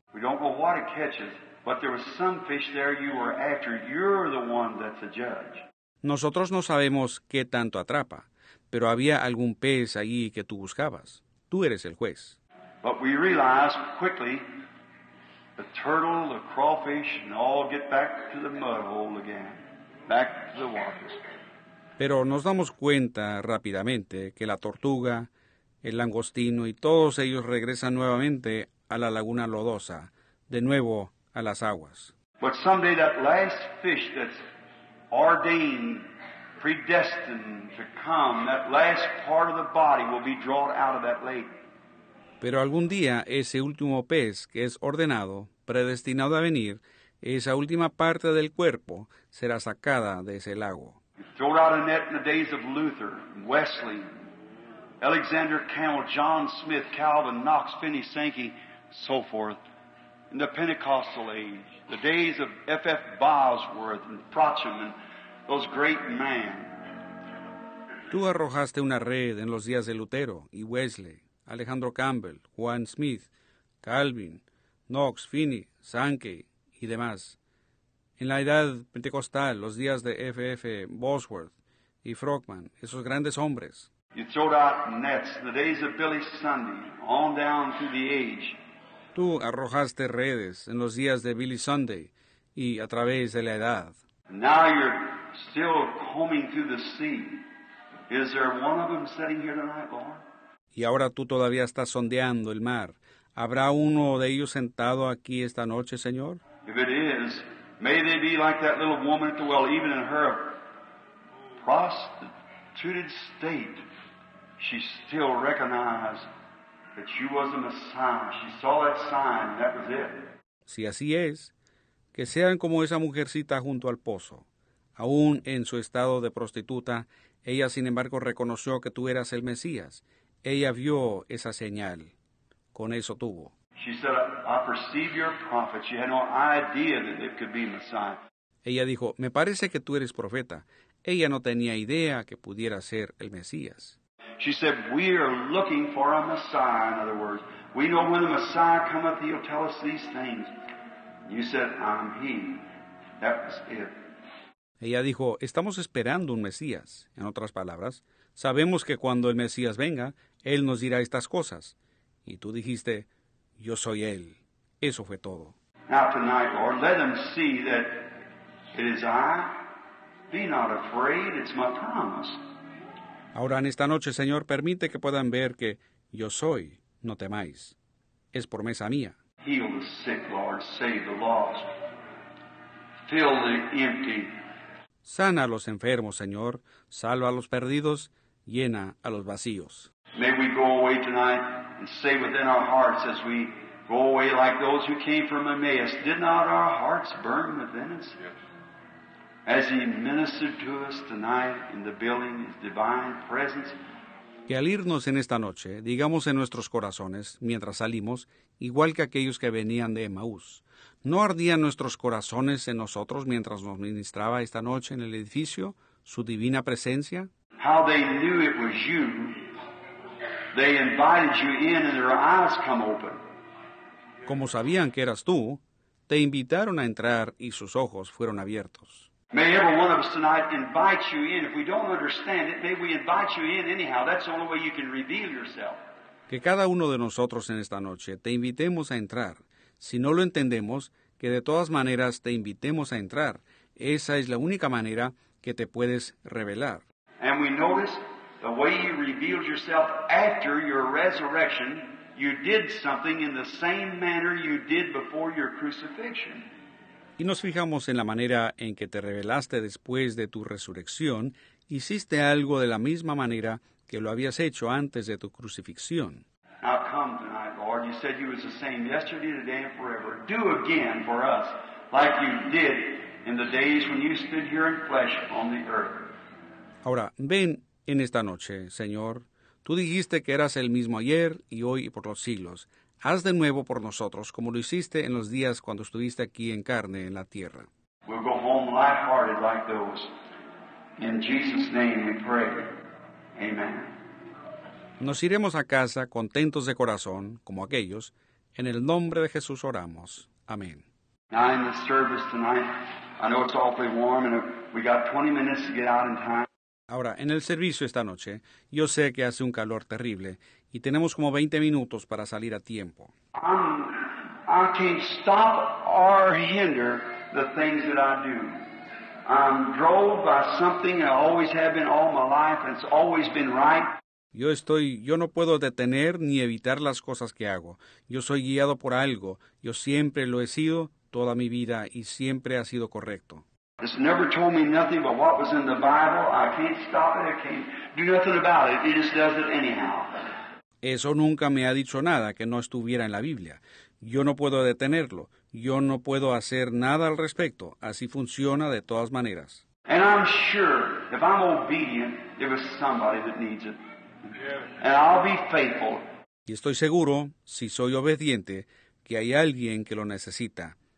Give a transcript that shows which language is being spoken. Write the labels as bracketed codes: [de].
[en] We don't know what it catches, but there was some fish there you were after. You're the one that's a judge. [es] Nosotros no sabemos qué tanto atrapa, pero había algún pez allí que tú buscabas. Tú eres el juez. [en] But we realize quickly the turtle, the crawfish, and all get back to the mud hole again. Back to the waters. [es] Pero nos damos cuenta rápidamente que la tortuga, el langostino y todos ellos regresan nuevamente a la laguna lodosa, de nuevo a las aguas. [en] But someday that last fish that's ordained, predestined to come, that last part of the body will be drawn out of that lake. [es] Pero algún día ese último pez que es ordenado, predestinado a venir, esa última parte del cuerpo será sacada de ese lago. [en] Throw out a net in the days of Luther, Wesley, Alexander Campbell, John Smith, Calvin, Knox, Finney, Sankey, so forth. In the Pentecostal age, the days of F.F. Bosworth and Prochum and those great men. [es] Tú arrojaste una red en los días de Lutero y Wesley, Alejandro Campbell, Juan Smith, Calvin, Knox, Finney, Sankey y demás. En la edad pentecostal, los días de F.F. Bosworth y Frohman, esos grandes hombres. [en] You throwed out nets in the days of Billy Sunday, on down through the age. [es] Tú arrojaste redes en los días de Billy Sunday y a través de la edad. [en] Now you're still combing through the sea. Is there one of them sitting here tonight, Lord? [es] Y ahora tú todavía estás sondeando el mar. ¿Habrá uno de ellos sentado aquí esta noche, Señor? [en] If it is, may they be like that little woman at the well, even in her prostituted state, she still recognized that she was a Messiah. She saw that sign, and that was it. [es] Si así es, que sean como esa mujercita junto al pozo. Aún en su estado de prostituta, ella sin embargo reconoció que tú eras el Mesías. Ella vio esa señal. Con eso tuvo. [en] She said, I perceive you're a prophet. She had no idea that it could be Messiah. [es] Ella dijo, me parece que tú eres profeta. Ella no tenía idea que pudiera ser el Mesías. [en] She said, we are looking for a Messiah, in other words. We know when the Messiah cometh, he'll tell us these things. You said, I'm he. That was it. [es] Ella dijo, estamos esperando un Mesías. En otras palabras, sabemos que cuando el Mesías venga, él nos dirá estas cosas. Y tú dijiste, yo soy él. Eso fue todo. [en] Now tonight, Lord, let them see that it is I. Be not afraid, it's my promise. [es] Ahora en esta noche, Señor, permite que puedan ver que yo soy, no temáis. Es promesa mía. [en] Heal the sick, Lord, save the lost. Fill the empty. [es] Sana a los enfermos, Señor. Salva a los perdidos. Llena a los vacíos. [en] May we go away tonight and say within our hearts as we go away like those who came from Emmaus. Did not our hearts burn within us? As he ministered to us tonight in the building, his divine presence. [es] Que al irnos en esta noche, digamos en nuestros corazones, mientras salimos, igual que aquellos que venían de Emaús, ¿no ardían nuestros corazones en nosotros mientras nos ministraba esta noche en el edificio su divina presencia? [en] How they knew it was you. They invited you in and their eyes come open. [es] Como sabían que eras tú, te invitaron a entrar y sus ojos fueron abiertos. [en] May every one of us tonight invite you in. If we don't understand it, may we invite you in anyhow. That's the only way you can reveal yourself. [es] Que cada uno de nosotros en esta noche te invitemos a entrar. Si no lo entendemos, que de todas maneras te invitemos a entrar. Esa es la única manera que te puedes revelar. [en] And we notice the way you revealed yourself after your resurrection, you did something in the same manner you did before your crucifixion. [es] Y nos fijamos en la manera en que te revelaste después de tu resurrección, hiciste algo de la misma manera que lo habías hecho antes de tu crucifixión. [en] Now come tonight, Lord. You said you was the same yesterday, today, and forever. Do again for us like you did in the days when you stood here in flesh on the earth. [es] Ahora, ven en esta noche, Señor. Tú dijiste que eras el mismo ayer y hoy y por los siglos. Haz de nuevo por nosotros como lo hiciste en los días cuando estuviste aquí en carne en la tierra. [en] We'll go home lighthearted like those. In Jesus' name we pray. Amen. [es] Nos iremos a casa contentos de corazón, como aquellos. En el nombre de Jesús oramos. Amén. [en] Now in the service tonight, I know it's awfully warm and we got 20 minutes to get out in time. [es] Ahora, en el servicio esta noche, yo sé que hace un calor terrible y tenemos como 20 minutos para salir a tiempo. [en] I can't stop or hinder the things that I do. I'm drove by something I always have been all my life and it's always been right. [es] Yo no puedo detener ni evitar las cosas que hago. Yo soy guiado por algo. Yo siempre lo he sido toda mi vida y siempre ha sido correcto. [en] It's never told me nothing but what was in the Bible. I can't stop it. I can't do nothing about it. It just does it anyhow. [es] Eso nunca me ha dicho nada que no estuviera en la Biblia. Yo no puedo detenerlo. Yo no puedo hacer nada al respecto. Así funciona de todas maneras. [en] And I'm sure if I'm obedient, there is somebody that needs it. And I'll be faithful. [es] Y estoy seguro, si soy obediente, que hay alguien que lo necesita.